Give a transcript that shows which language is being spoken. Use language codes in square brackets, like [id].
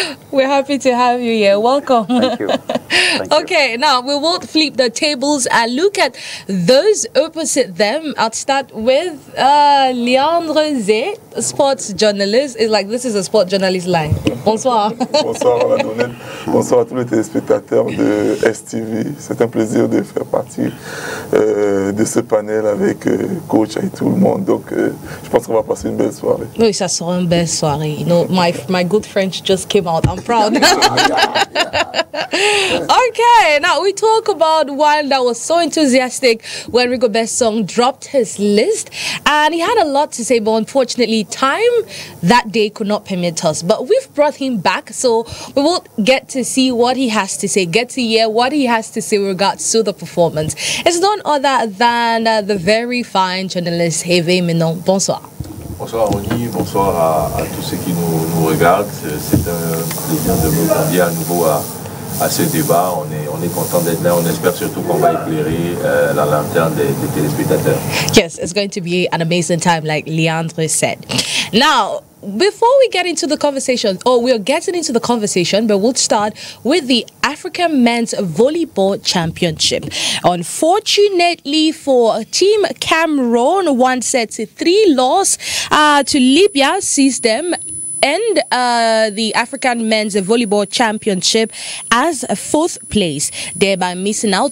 [en] We're happy to have you here. Welcome. Thank you. Okay, now we will flip the tables and look at those opposite them. I'll start with Leandre Zé, sports journalist. It's like this is a sports journalist line. [fr] Bonsoir. Bonsoir, Madonnette. Bonsoir à tous les téléspectateurs de STV. C'est un plaisir de faire partie de ce panel avec Coach et tout le monde. Donc, je pense qu'on va passer une belle soirée. Oui, ça sera une belle soirée. [en] You know, my good French just came out. I'm proud. Okay, now we talk about one that was so enthusiastic when Rigobert Song dropped his list, and he had a lot to say, but unfortunately time that day could not permit us. But we've brought him back, so we will get to see what he has to say, get to hear what he has to say with regards to the performance. It's none other than the very fine journalist Hervé Menon. [fr] Bonsoir. Bonsoir Ronny, bonsoir à tous ceux qui nous regardent. C'est un plaisir de vous convier à nouveau à ce débat. On est content d'être là. On espère surtout qu'on va éclairer la lanterne des téléspectateurs. [en] Yes, it's going to be an amazing time, like Leandre said. Now, before we get into the conversation, but we'll start with the African Men's Volleyball Championship. Unfortunately for Team Cameroon, 1-3 loss to Libya sees them end the African Men's Volleyball Championship as fourth place, thereby missing out.